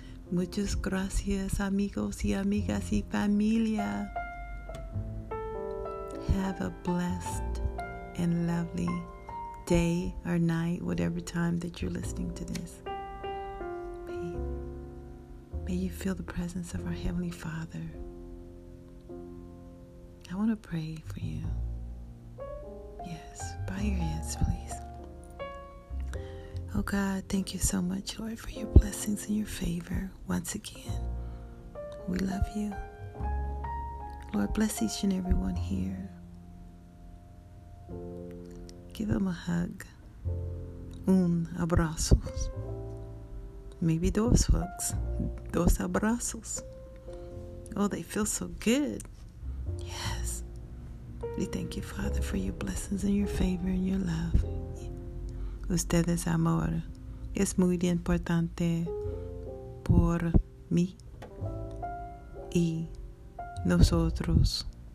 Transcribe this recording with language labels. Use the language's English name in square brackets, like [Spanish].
[Spanish] Muchas gracias, amigos y amigas y familia. [English] Have a blessed and lovely day or night, whatever time that you're listening to this. May you feel the presence of our Heavenly Father. I want to pray for you. Yes, bow your heads, please. Oh God, thank you so much, Lord, for your blessings and your favor. Once again, we love you. Lord, bless each and everyone here. Give them a hug, [Spanish] un abrazo, [English] maybe dos hugs, [Spanish] dos abrazos. [English] Oh, they feel so good. Yes. We thank you, Father, for your blessings and your favor and your love. [Spanish] Usted es amor. Es muy importante por mí y nosotros.